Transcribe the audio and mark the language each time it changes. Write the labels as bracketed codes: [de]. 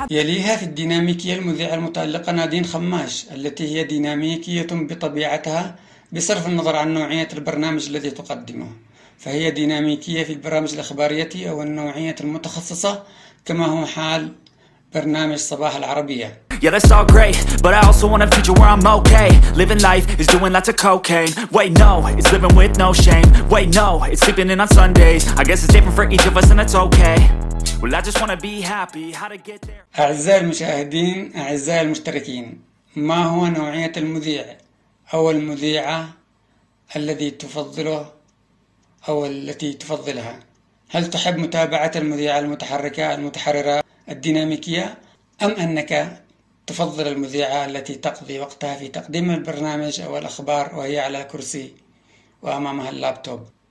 [ar] يليها في الديناميكية المذيعة المتألقة نادين خماش التي هي ديناميكية بطبيعتها بصرف النظر عن نوعية البرنامج الذي تقدمه، فهي ديناميكية في البرامج الإخبارية أو النوعية المتخصصة، كما هو حال برنامج صباح العربية. [en] Yeah, that's all great, but I also want a future where I'm okay. Living life is doing lots of cocaine. Wait, no, it's living with no shame. Wait, no, it's sleeping in on Sundays. I guess it's different for each of us and it's okay. Well, I just want to be happy. How to get there? [ar] أعزائي المشاهدين، أعزائي المشتركين، ما هو نوعية المذيع أو المذيعة الذي تفضله أو التي تفضلها؟ هل تحب متابعة المذيعة المتحركة المتحررة الديناميكية، أم أنك تفضل المذيعة التي تقضي وقتها في تقديم البرنامج أو الأخبار وهي على كرسي وأمامها اللابتوب؟